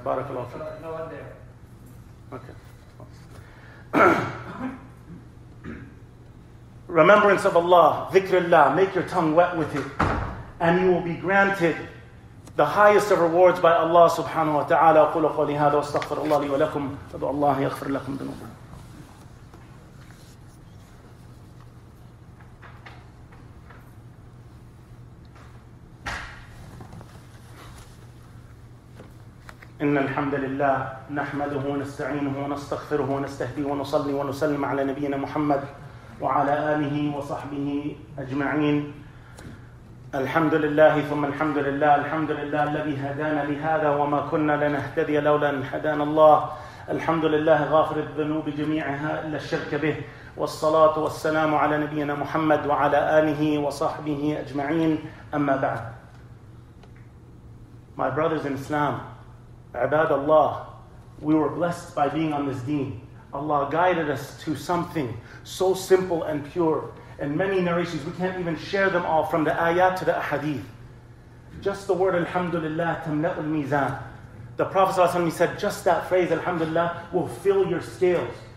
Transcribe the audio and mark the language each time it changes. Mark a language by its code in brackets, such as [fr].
[ar] Barakallahu fiik. [en] No one there. Okay. Remembrance of Allah, dhikrillah, make your tongue wet with it, and you will be granted the highest of rewards by Allah subhanahu wa ta'ala. [ar] أقول قولي هذا واستغفر الله لي ولكم فدعو الله يغفر لكم ذنوبكم. إن الحمد لله نحمده ونستعينه ونستغفره ونستهديه ونصلي ونسلم على نبينا محمد وعلى آله وصحبه أجمعين. الحمد لله ثم الحمد لله. الحمد لله الذي هدانا لهذا وما كنا لنهتدي لولا أن هدانا الله. الحمد لله غافر الذنوب جميعها إلا الشرك به. والصلاة والسلام على نبينا محمد وعلى آله وصحبه أجمعين. أما بعد. [en] My brothers in Islam, Ibad Allah, we were blessed by being on this deen. Allah guided us to something so simple and pure. And many narrations, we can't even share them all, from the ayat to the ahadith. Just the word [ar] Alhamdulillah tamla'u al-mizan. [en] The Prophet ﷺ said, just that phrase, Alhamdulillah, will fill your scales.